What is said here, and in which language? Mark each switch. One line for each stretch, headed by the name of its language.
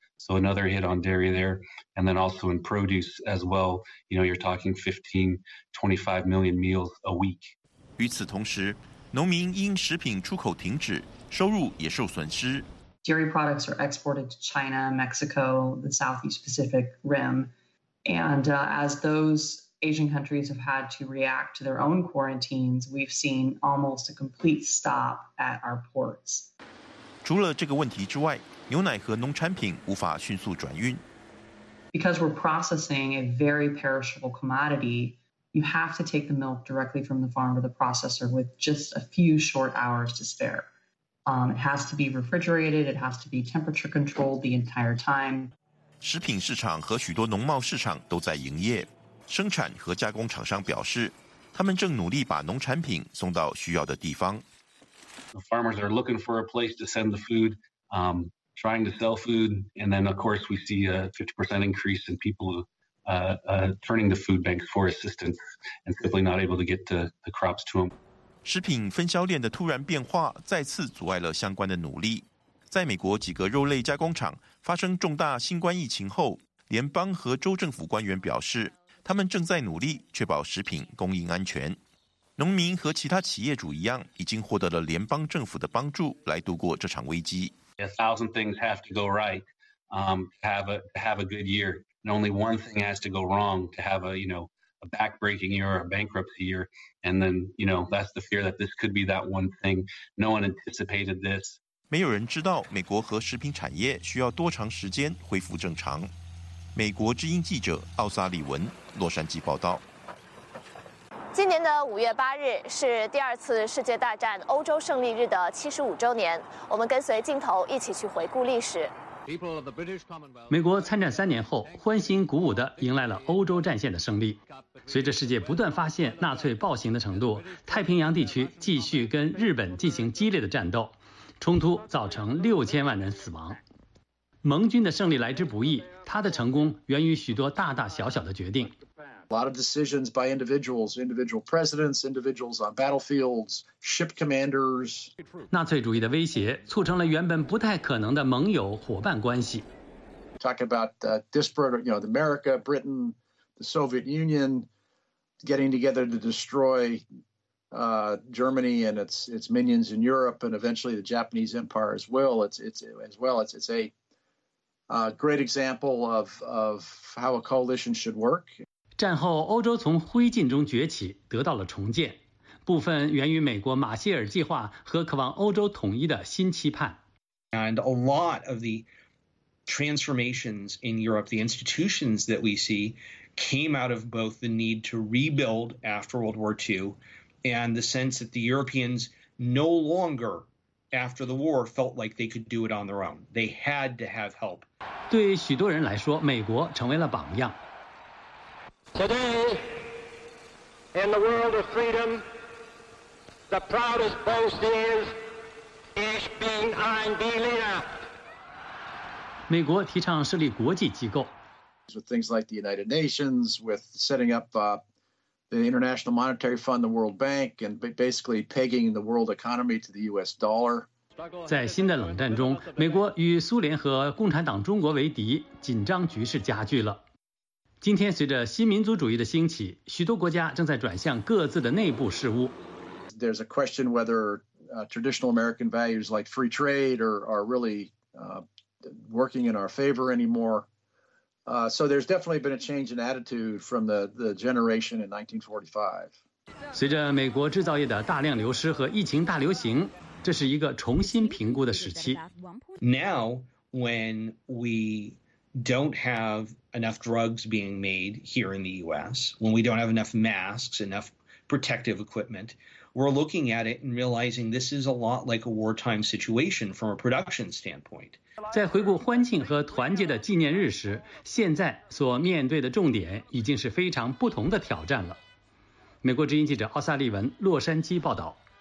English: So another hit on dairy there, and then also in produce as well. You know, you're talking 15-25 million meals a week.
Chinese: 与此同时， 农民因食品出口停止，收入也受损失。
English: Dairy products are exported to China, Mexico, the Southeast Pacific Rim, and as those Asian countries have had to react to their own quarantines, we've seen almost a complete stop at our ports.
Chinese: 除了这个问题之外，牛奶和农产品无法迅速转运。
English: because we're processing a very perishable commodity, you have to take the milk directly from the farm to the processor with just a few short hours to spare. It has to be refrigerated. It has to be temperature controlled the entire time.
Chinese: 食品市场和许多农贸市场都在营业。生产和加工厂商表示，他们正努力把农产品送到需要的地方。
English: The farmers are looking for a place to send the food, trying to sell food, and then of course we see a 50% increase in people turning to food banks for assistance and simply not able to get the crops to them.
Chinese: 食品分销链的突然变化再次阻碍了相关的努力。在美国几个肉类加工厂发生重大新冠疫情后，联邦和州政府官员表示，他们正在努力确保食品供应安全。农民和其他企业主一样，已经获得了联邦政府的帮助来度过这场危机。
English: A thousand things have to go right, to have a good year, and only one thing has to go wrong to have a back-breaking year or a bankruptcy year, and then that's the fear that this could be that one thing. No one anticipated this.
Chinese: 没有人知道美国和食品产业需要多长时间恢复正常。美国之音记者奥萨利文，洛杉矶报道。今年的五月八日是第二次世界大战欧洲胜利日的75周年，我们跟随镜头一起去回顾历史。美国参战三年后，欢欣鼓舞地迎来了欧洲战线的胜利。随着世界不断发现纳粹暴行的程度，太平洋地区继续跟日本进行激烈的战斗，冲突造成6000万人死亡。盟军的胜利来之不易，他的成功源于许多大大小小的决定。
English: A lot of decisions by individuals, individual presidents, individuals on battlefields, ship commanders.
Chinese: 纳粹主义的威胁促成了原本不太可能的盟友伙伴关系。
English: Talk about disparate, America, Britain, the Soviet Union getting together to destroy Germany and its minions in Europe, and eventually the Japanese Empire as well. It's a great example of how a coalition should work.
Chinese: 战后欧洲从灰烬中崛起，得到了重建，部分源于美国马歇尔计划和渴望欧洲统一的新期盼。
English: And a lot of the transformations in Europe, the institutions that we see, came out of both the need to rebuild after World War II and the sense that the Europeans no longer after the war felt like they could do it on their own. They had to have help.
Chinese: 对许多人来说，美国成为了榜样。
English: Today, in the world of freedom, the proudest boast is,
German: Ich bin ein Berliner.
Chinese: 美国提倡设立国际机构。
English: With things like the United Nations, with setting up the International Monetary Fund, the World Bank, and basically pegging the world economy to the US dollar.
Chinese: 在新的冷战中，美国与苏联和共产党中国为敌，紧张局势加剧了。今天随着新民族主义的兴起，许多国家正在转向各自的内部事务。
English: There's a question whether traditional American values like free trade are really working in our favor anymore. So there's definitely been a change in attitude from the generation in 1945.
Chinese: 随着美国制造业的大量流失和疫情大流行，这是一个重新评估的时期。
English: Now when we don't have enough drugs being made here in the U.S., when we don't have enough masks, enough protective equipment, we're looking at it and realizing this is a lot like a wartime situation from a production standpoint.
Chinese: 在回顾欢庆和团结的纪念日时，现在所面对的重点已经是非常不同的挑战了。美国之音记者奥萨利文，洛杉矶报道。